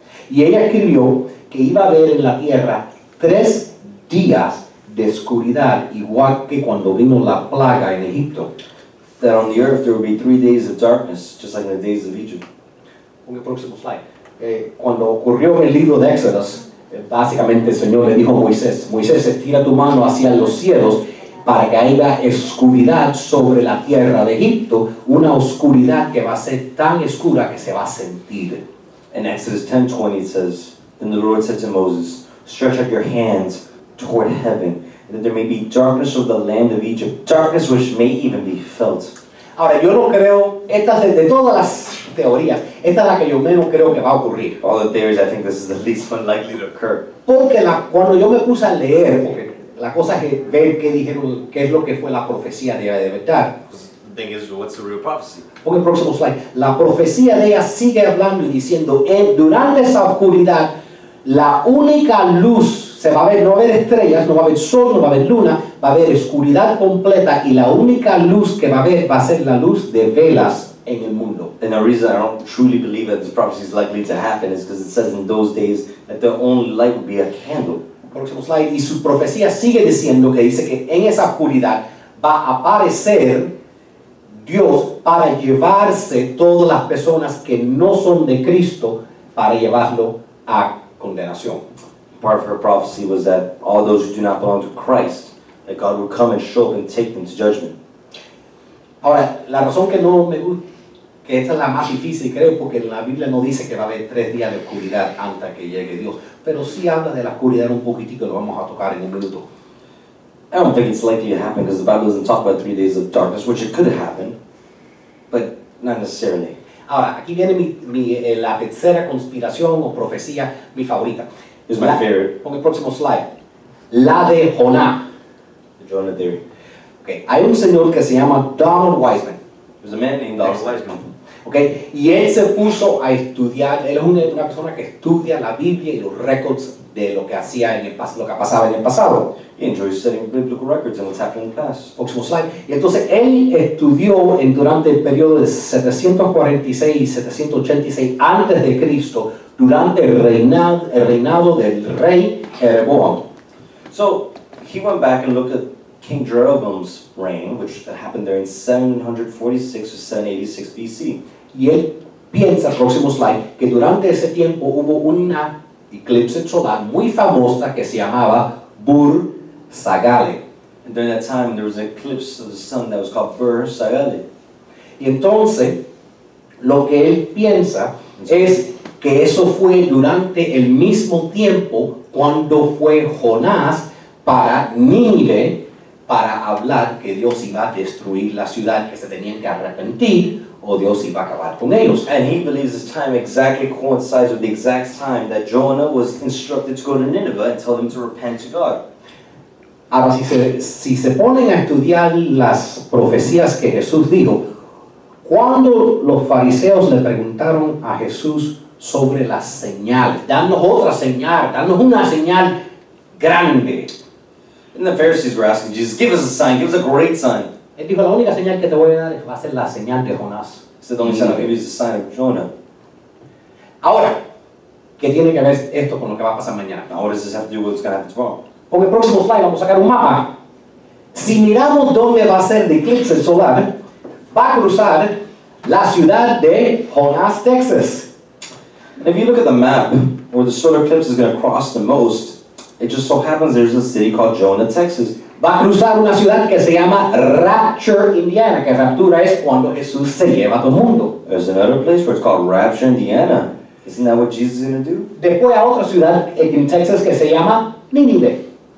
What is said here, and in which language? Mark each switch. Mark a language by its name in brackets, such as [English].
[Spanish] Y ella escribió que iba a haber en la tierra 3 días de oscuridad, igual que cuando vimos la plaga en Egipto. [English] That on the earth there will be 3 days of darkness, just like in the days of Egypt. [Spanish] Con el próximo slide. Cuando ocurrió el libro de Éxodos, básicamente el Señor le dijo a Moisés, Moisés, estira tu mano hacia los cielos para que haya oscuridad sobre la tierra de Egipto, una oscuridad que va a ser tan oscura que se va a sentir. [English] In Exodus 10:20 it says, then the Lord said to Moses, stretch out your hands toward heaven, that there may be darkness over the land of Egypt, darkness which may even be felt. [Spanish] Ahora, yo no creo, esta es de todas las teorías, esta es la que yo menos creo que va a ocurrir. [English] All the theories, I think this is the least one likely to occur. [Spanish] Porque cuando yo me puse a leer, porque la cosa es ver qué dijeron, qué es lo que fue la profecía de verdad. [English] The thing is, what's the real prophecy? [Spanish] Porque el próximo slide, la profecía de ella sigue hablando y diciendo, durante esa oscuridad, la única luz se va a ver, no va a haber estrellas, no va a haber sol, no va a haber luna, va a haber oscuridad completa y la única luz que va a haber va a ser la luz de velas en el mundo. [English] And the reason I don't truly believe that this prophecy is likely to happen is because it says in those days that the only light would be a candle. [Spanish] Próximo slide. Y su profecía sigue diciendo que dice que en esa oscuridad va a aparecer Dios para llevarse todas las personas que no son de Cristo para llevarlo a condenación. [English] Part of her prophecy was that all those who do not belong to Christ, that God would come and show up and take them to judgment. [Spanish] Ahora, la razón que no me gusta, que esta es la más difícil, creo, porque la Biblia no dice que va a haber tres días de oscuridad hasta que llegue Dios, pero sí habla de la oscuridad un poquitico, lo vamos a tocar en un minuto. [English] I don't think it's likely to happen because the Bible doesn't talk about 3 days of darkness, which it could happen, but not necessarily. [Spanish] Ahora, aquí viene la tercera conspiración o profecía, mi favorita. [English] It's my favorite. [Spanish] Pon el próximo slide. La de Jonah. [English] The Jonah theory. Okay. [Spanish] Hay un señor que se llama Donald Wiseman. [English] There's a man named Donald Wiseman. [Spanish] Okay. Y él se puso a estudiar. Él es una persona que estudia la Biblia y los records de lo que hacía en el pasado, lo que pasaba en el pasado. [English] He enjoys studying biblical records and what's happened in the past. [Spanish] Próximo slide. Y entonces él estudió durante el periodo de 746 y 786 antes de Cristo, durante el reinado del rey Jeroboam. [English] So he went back and looked at King Jeroboam's reign, which happened there in 746 or 786 BC. [Spanish] Y él piensa, próximo slide, que durante ese tiempo hubo una eclipse solar muy famosa que se llamaba Bur-Sagale. [English] And during that time, there was an eclipse of the sun that was called Bur-Sagale. [Spanish] Y entonces, lo que él piensa es que eso fue durante el mismo tiempo cuando fue Jonás para Nínive, para hablar que Dios iba a destruir la ciudad, que se tenían que arrepentir, o Dios iba a acabar con ellos. [English] And he believes this time exactly coincides with the exact time that Jonah was instructed to go to Nineveh and tell them to repent to God. [Spanish] Ahora, si se ponen a estudiar las profecías que Jesús dijo, cuando los fariseos le preguntaron a Jesús sobre las señales, danos otra señal, danos una señal grande. [English] And the Pharisees were asking Jesus, give us a sign, give us a great sign. [Spanish] Él dijo, la única señal que te voy a dar va a ser la señal de Jonás. [English] So don't say, give us a sign of Jonah. [Spanish] Ahora, ¿qué tiene que ver esto con lo que va a pasar mañana? [English] Now, what does this have to do with what's going to happen tomorrow? [Spanish] Con el próximo slide vamos a sacar un mapa. Si miramos dónde va a ser el eclipse solar, va a cruzar la ciudad de Jonás, Texas. [English] And if you look at the map where the solar eclipse is going to cross the most, it just so happens there's a city called Jonah, Texas. [Spanish] Va a cruzar una ciudad que se llama Rapture, Indiana, que raptura es cuando Jesús se lleva a todo el mundo. [English] There's another place where it's called Rapture, Indiana. Isn't that what Jesus is going to do? [Spanish] Después a otra ciudad en Texas que se llama Nínive.